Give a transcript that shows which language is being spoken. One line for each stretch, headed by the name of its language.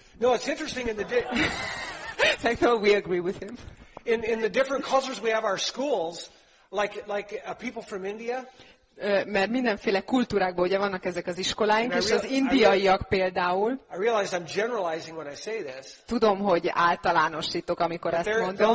English: No, it's interesting in the we agree with him. In the different cultures we have our schools, like people from India.
Hungarian: Mert mindenféle kultúrákból ugye vannak ezek az iskoláink, és az indiaiak például.
English: I realize I'm generalizing when I say this.
Hungarian: Tudom, hogy általánosítok, amikor ezt mondom.